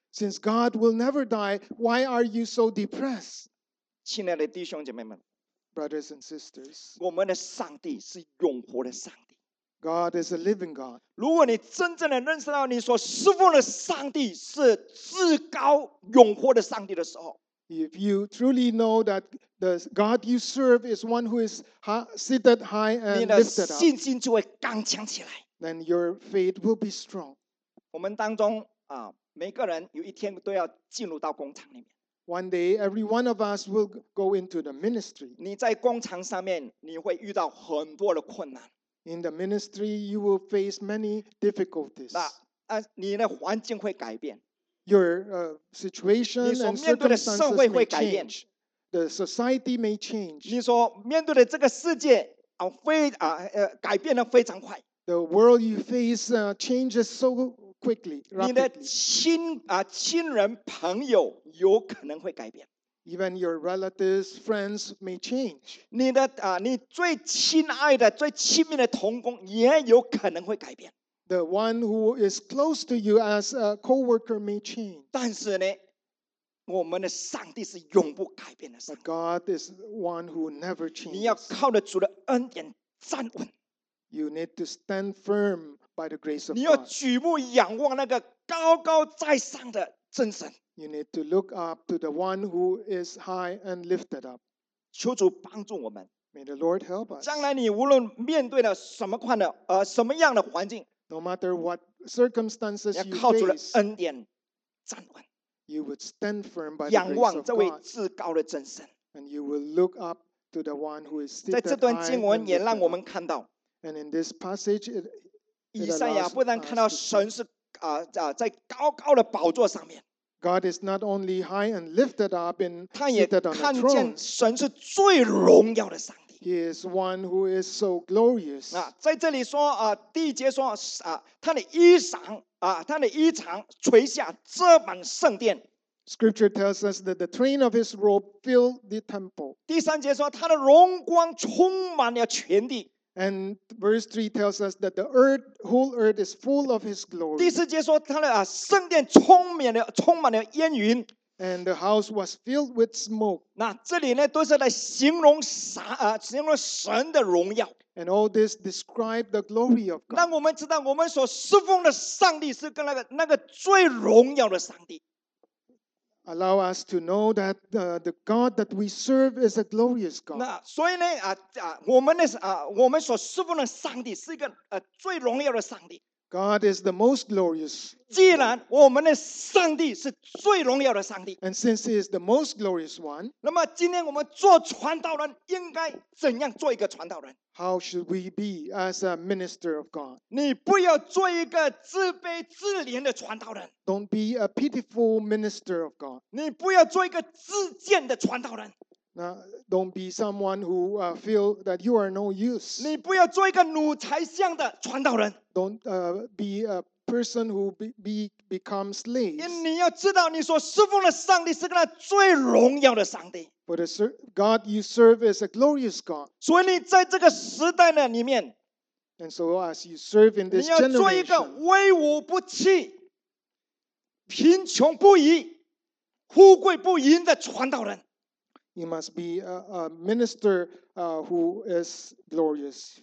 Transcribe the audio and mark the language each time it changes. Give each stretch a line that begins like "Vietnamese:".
English: ？Since God will never die, why are you so depressed？
Chinese: 亲爱的弟兄姐妹们
English: ，Brothers and sisters，
Chinese: 我们的上帝是永活的上帝。
English: God is a living God.
Chinese: 如果你真正的认识到你所侍奉的上帝是至高永活的上帝的时候，
English: If you truly know that the God you serve is one who is seated high and lifted up,
Chinese: 你的信心就会刚强起来。
English: Then your faith will be strong.
Chinese: 我们当中啊，每个人有一天都要进入到工厂里面。
English: One day, every one of us will go into the ministry.
Chinese: 你在工厂上面，你会遇到很多的困难。
English: In the ministry, you will face many difficulties.
Chinese: 那啊，你的环境会改变。
English: Your situation and circumstances may change.
Chinese: 你所面对的社会会改变。
English: The society may change.
Chinese: 你所面对的这个世界啊，改变的非常快。
English: The world you face changes so quickly, rapidly.
Chinese: 你的亲人朋友有可能会改变。
English: Even your relatives, friends may change.
Chinese: 你的你最亲爱的、最亲密的同工也有可能会改变。
English: The one who is close to you as a co-worker may change.
Chinese: 但是呢，我们的上帝是永不改变的上帝。
English: But God is one who never changes.
Chinese: 你要靠着主的恩典站稳。
English: You need to stand firm by the grace of God.
Chinese: 你要举目仰望那个高高在上的真神。
English: You need to look up to the one who is high and lifted up.
Chinese: 求主帮助我们。
English: May the Lord help us.
Chinese: 将来你无论面对了什么困难，什么样的环境
English: ，No matter what circumstances you face,
Chinese: 你要靠主的恩典站稳。
English: You would stand firm by the grace of God.
Chinese: 仰望这位至高的真神。
English: And you will look up to the one who is seated high.
Chinese: 在这段经文也让我们看到。
English: And in this passage,
Chinese: 以赛亚不但看到神是在高高的宝座上面。
English: God is not only high and lifted up in seated on the throne.
Chinese: 他也看见神是最荣耀的上帝。
English: He is one who is so glorious.
Chinese: 在这里说第一节说他的衣裳他的衣裳垂下，遮满圣殿。
English: Scripture tells us that the train of his robe filled the temple.
Chinese: 第三节说他的荣光充满了全地。
English: And verse 3 tells us that the earth, whole earth is full of his glory.
Chinese: 第四节说他的圣殿充满了烟云。
English: And the house was filled with smoke.
Chinese: 那这里呢都是来形容神的荣耀。
English: And all this describes the glory of God.
Chinese: 让我们知道我们所侍奉的上帝是跟那个最荣耀的上帝。
English: Allow us to know that the God that we serve is a glorious God.
Chinese: 那所以呢我们所侍奉的上帝是一个最荣耀的上帝。
English: God is the most glorious.
Chinese: 既然我们的上帝是最荣耀的上帝。
English: And since He is the most glorious one,
Chinese: 那么今天我们做传道人应该怎样做一个传道人？
English: How should we be as a minister of God?
Chinese: 你不要做一个自卑自怜的传道人。
English: Don't be a pitiful minister of God.
Chinese: 你不要做一个自贱的传道人。
English: Don't be someone who feel that you are no use.
Chinese: 你不要做一个奴才相的传道人。
English: Don't be a person who become slaves.
Chinese: 你要知道，你所侍奉的上帝是那最荣耀的上帝。
English: For the God you serve is a glorious God.
Chinese: 所以你在这个时代的里面
English: ，And so as you serve in this generation,
Chinese: 你要做一个威武不屈、贫穷不移、富贵不淫的传道人。
English: You must be a minister who is glorious.